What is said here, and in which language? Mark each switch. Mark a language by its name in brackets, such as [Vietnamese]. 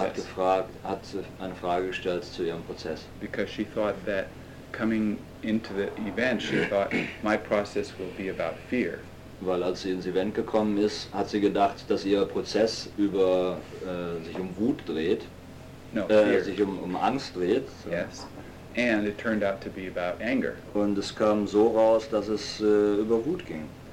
[German] Hat gefragt, hat eine Frage gestellt zu ihrem Prozess. [English] Because she thought that coming into the event, she thought my process will be about fear. [German] Weil als sie ins Event gekommen ist, hat sie gedacht, dass ihr Prozess über sich um Wut dreht. [English] No, [German] sich um Angst dreht. So. [English] Yes. And it turned out to be about anger. [German] Und es kam so raus, dass es über Wut ging.